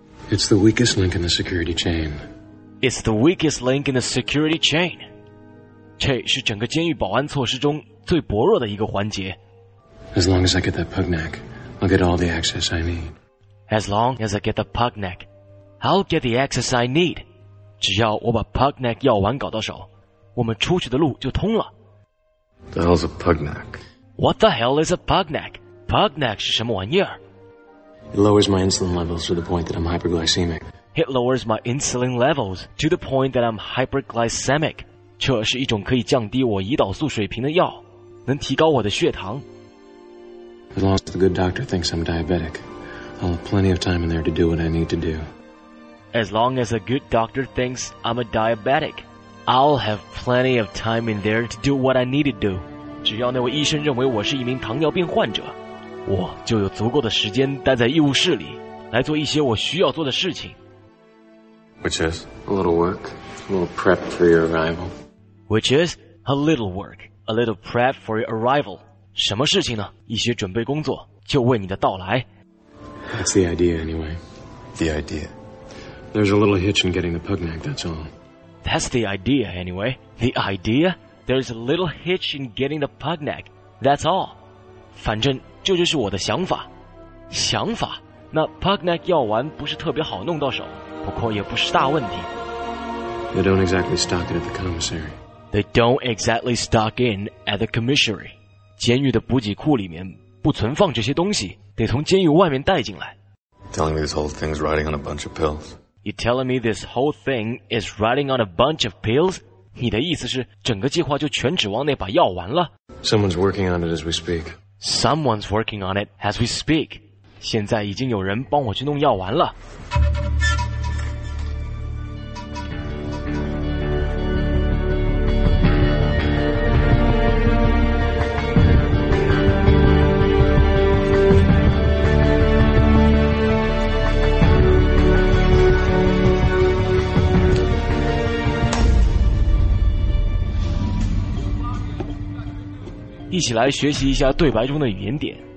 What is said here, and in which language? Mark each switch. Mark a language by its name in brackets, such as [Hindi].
[English] It's the weakest link in the security chain. It's the weakest link in the security chain. [Chinese] 这是整个监狱保安措施中最薄弱的一个环节。 [English] As long as I get that pug neck, I'll get all the access I need. As long as I get the pug neck, I'll get the access I need. [Chinese] 只要我把 pug neck 药丸搞到手，我们出去的路就通了。 [English] The hell's a pug neck? What the hell is a pug neck? Pug neck [Chinese] 是什么玩意儿？ [English] It lowers my insulin levels to the point that I'm hyperglycemic. It lowers my insulin levels to the point that I'm hyperglycemic. [Chinese] 这是一种可以降低我胰岛素水平的药，能提高我的血糖。 [English] As long as the good doctor thinks I'm diabetic. I'll have plenty of time in there to do what I need to do. As long as a good doctor thinks I'm a diabetic, I'll have plenty of time in there to do what I need to do. [Chinese] 只要那位医生认为我是一名糖尿病患者，我就有足够的时间待在医务室里，来做一些我需要做的事情。 [English] Which is? A little work, a little prep for your arrival. Which is? A little work, a little prep for your arrival. [Chinese] 什么事情呢？一些准备工作，就为你的到来。 [English] That's the idea, anyway. The idea. There's a little hitch in getting the pug neck, that's all. That's the idea, anyway. The idea? There's a little hitch in getting the pug neck, that's all. [Chinese] 反正这就是我的想法。想法？那 pug neck 药丸不是特别好弄到手，不过也不是大问题。 [English] They don't exactly stock it at the commissary. They don't exactly stock in at the commissary. [Chinese] 监狱的补给库里面不存放这些东西。得从监狱外面带进来。 [English] Telling me this whole thing is riding on a bunch of pills. You telling me this whole thing is riding on a bunch of pills? [Chinese] 你的意思是整个计划就全指望那把药丸了？ [English] Someone's working on it as we speak. Someone's working on it as we speak. [Chinese] 现在已经有人帮我去弄药丸了。一起来学习一下对白中的语言点。